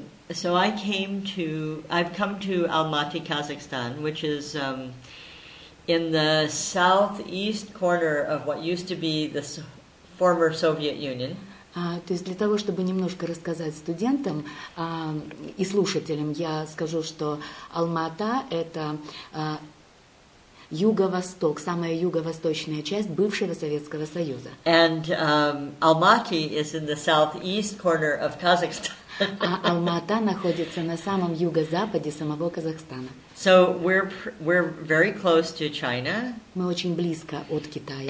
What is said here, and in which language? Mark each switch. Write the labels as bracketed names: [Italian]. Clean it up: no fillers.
[English] So I've come to Almaty, Kazakhstan, which is in the southeast corner of what used to be the former Soviet Union. [Russian] То есть для того, чтобы немножко рассказать студентам и слушателям, я скажу, что Алма-Ата – это юго-восток, самая юго-восточная часть бывшего Советского Союза. [English] And Almaty is in the southeast corner of Kazakhstan. [Russian] А Алма-Ата находится на самом юго-западе самого Казахстана. [English] So we're very close to China. [Russian] Мы очень близко от Китая.